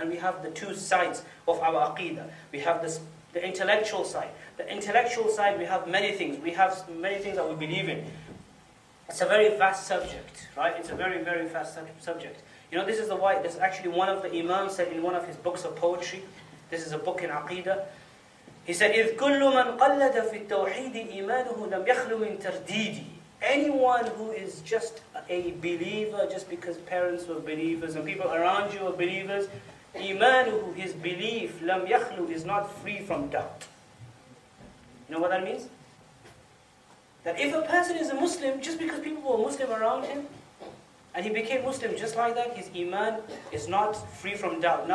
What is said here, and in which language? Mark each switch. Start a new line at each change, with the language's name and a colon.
English: And we have the two sides of our aqeedah. We have the intellectual side. The intellectual side, we have many things. We have many things that we believe in. It's a very vast subject, right? It's a very, very vast subject. You know, this is actually one of the imams said in one of his books of poetry. This is a book in aqeedah.
Arabic: He said, إِذْ كُلُّ مَنْ قَلَّدَ فِي التَّوْحِيدِ إِيمَانُهُ لَمْ يَخْلُ مِنْ تَرْدِيدِ.
English: Anyone who is just a believer, just because parents were believers and people around you are believers,
Arabic: إِيمَانُهُ,
English: his belief,
Arabic: لَمْ يَخْلُ,
English: is not free from doubt. You know what that means? That if a person is a Muslim, just because people were Muslim around him, and he became Muslim just like that, his iman is not free from doubt.